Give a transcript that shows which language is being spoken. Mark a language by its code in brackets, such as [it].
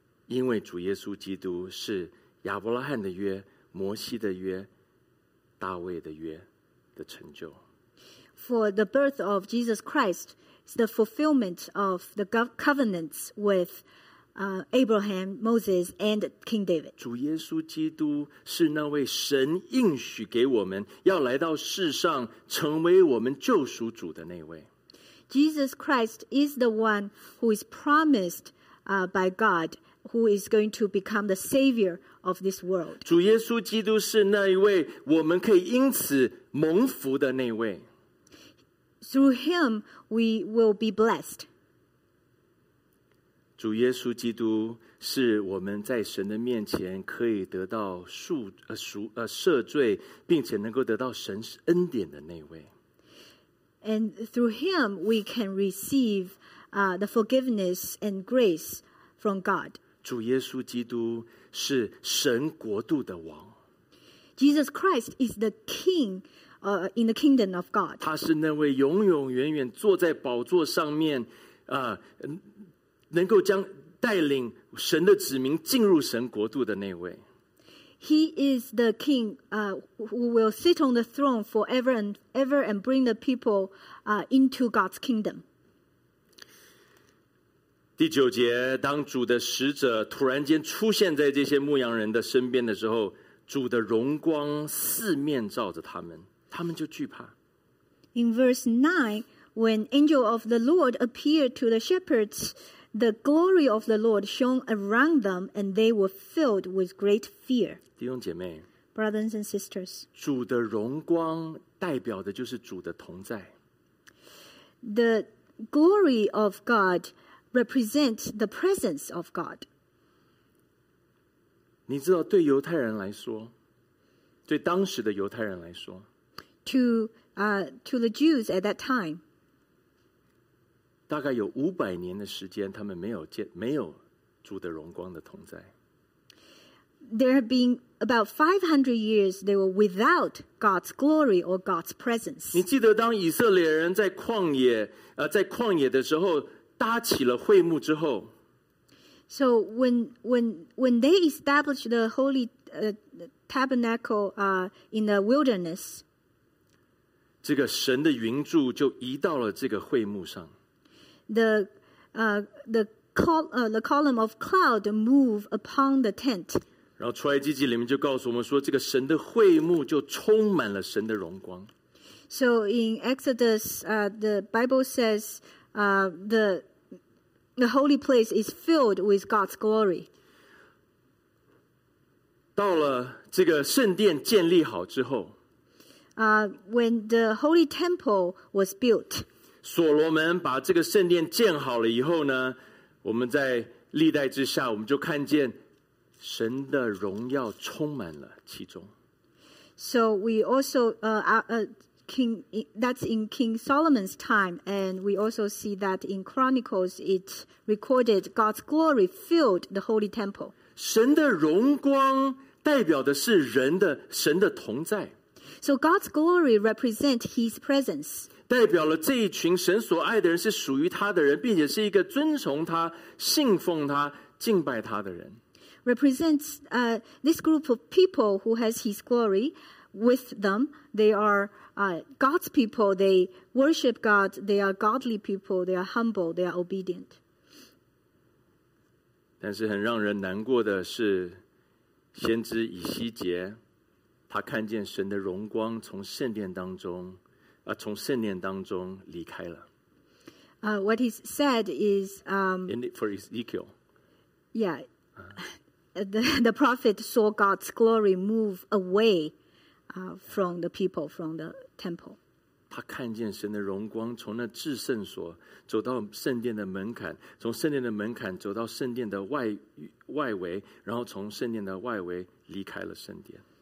[zh] 因为主耶稣基督是亚伯拉罕的约、摩西的约、大卫的约的成就。 [en] For the birth of Jesus Christ is the fulfillment of the covenants with Abraham, Moses, and King David. [zh] 主耶稣基督是那位神应许给我们要来到世上成为我们救赎主的那位。 [en] Jesus Christ is the one who is promised by God who is going to become the Savior of this world. [zh] 主耶稣基督是那一位我们可以因此蒙福的那位。 [en] Through him, we will be blessed. [zh] 主耶稣基督是我们在神的面前可以得到赦罪，并且能够得到神恩典的那位。 [en] And through him, we can receive the forgiveness and grace from God. [zh] 主耶稣基督是神国度的王。 [en] Jesus Christ is the King. In the kingdom of God. [zh] 他是那位永永远远坐在宝座上面能够将带领神的子民进入神国度的那位。 [en] He is the king who will sit on the throne forever and ever and bring the people into God's kingdom. [zh] 第九节，当主的使者突然间出现在这些牧羊人的身边的时候，主的荣光四面照着他们。他们就惧怕。 [en] In verse 9, when angel of the Lord appeared to the shepherds, the glory of the Lord shone around them, and they were filled with great fear. [zh] 弟兄姐妹 [en] brothers and sisters, [zh] 主的荣光代表的就是主的同在。 [en] The glory of God represents the presence of God. [zh] 你知道对犹太人来说，对当时的犹太人来说， [en] To the Jews at that time, [zh] 大概有五百年的时间，他们没有主的荣光的同在。 [en] There have been about 500 years they were without God's glory or God's presence. [zh] 你记得当以色列人在旷野的时候搭起了会幕之后 [en] ，So when they established the holy tabernacle in the wilderness. [zh] 这个神的云柱就移到了这个会幕上。 [en] The column of cloud move upon the tent. [zh] 然后出埃及记里面就告诉我们说，这个神的会幕就充满了神的荣光。 [en] So in Exodus, the Bible says, the holy place is filled with God's glory. [zh] 到了这个圣殿建立好之后。 [en] When the holy temple was built, [zh] 所罗门把这个圣殿建好了以后呢，我们在历代之下，我们就看见神的荣耀充满了其中。 [en] So we also King that's in King Solomon's time, and we also see that in Chronicles it recorded God's glory filled the holy temple. [zh] 神的荣光代表的是人的神的同在。 [en] So God's glory represents His presence. 代表了这一群神所爱的人是属于他的人，并且是一个遵从他、信奉他、敬拜他的人。 Represents this group of people who has His glory with them. They are God's people. They worship God. They are godly people. They are humble. They are obedient. [zh] 但是很让人难过的是，先知以西结。他看见神的荣光从圣殿当中从圣殿当中离开了。 [en] What he said is for Ezekiel. Yeah. The prophet saw God's glory move away from the people, from the temple. [zh] 他看见神的荣光从那至圣所走到圣殿的门槛，从圣殿的门槛走到圣殿的外围，然后从圣殿的外围离开了圣殿。